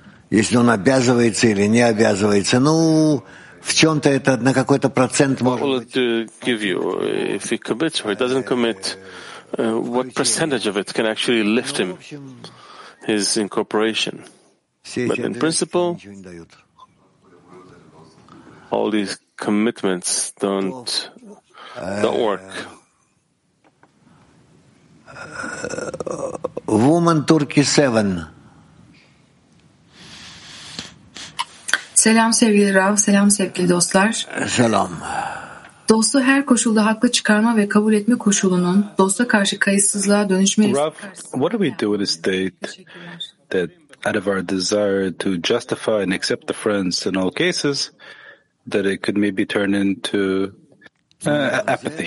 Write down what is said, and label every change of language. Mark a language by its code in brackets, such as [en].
[ru] Если он обязывается или не обязывается, ну... [en] What will it give you if he commits or he doesn't commit? What percentage of it can actually lift him, his incorporation? But in principle, all these commitments don't work. Woman Turkey 7. [tr] Selam sevgili Rav, selam sevgili dostlar. Selam. Dostu her koşulda haklı çıkarma ve kabul etme koşulunun dosta karşı kayıtsızlığa dönüşme riski. [en] Rav, what do we do in a state that out of our desire to justify and accept the friends in all cases, that it could maybe turn into apathy?